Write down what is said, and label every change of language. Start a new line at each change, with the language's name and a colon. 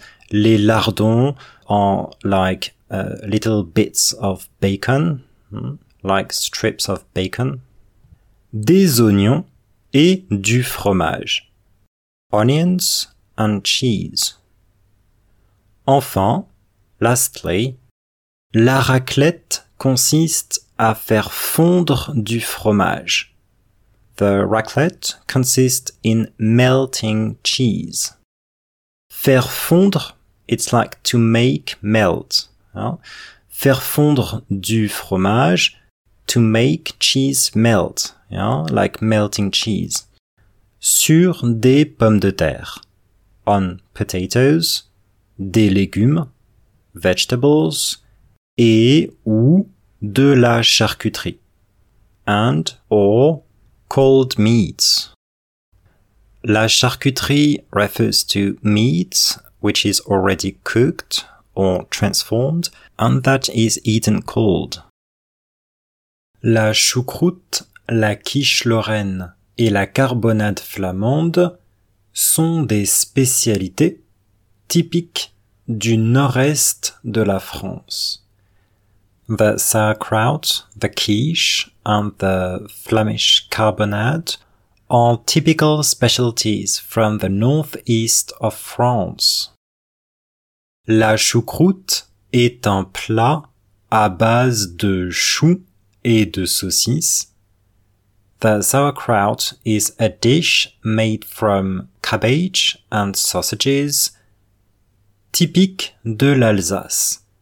English: Les lardons are like little bits of bacon, like strips of bacon,
French: des oignons et du fromage,
English: onions and cheese.
French: Enfin, lastly, la raclette consiste à faire fondre du fromage.
English: The raclette consists in melting cheese. Faire fondre, it's like to make melt.
French: Hein? Faire fondre du fromage,
English: to make cheese melt,
French: yeah,
English: like melting cheese,
French: sur des pommes de terre,
English: on potatoes,
French: des légumes, vegetables, et ou de la charcuterie.
English: And or cold meats. La charcuterie refers to meat which is already cooked or transformed and that is eaten cold.
French: La choucroute, la quiche lorraine et la carbonade flamande sont des spécialités typiques du nord-est de la France.
English: The sauerkraut, the quiche, and the Flemish carbonade are typical specialties from the northeast of France.
French: La choucroute est un plat à base de choux et de saucisses.
English: The sauerkraut is a dish made from cabbage and sausages,
French: typique de l'Alsace.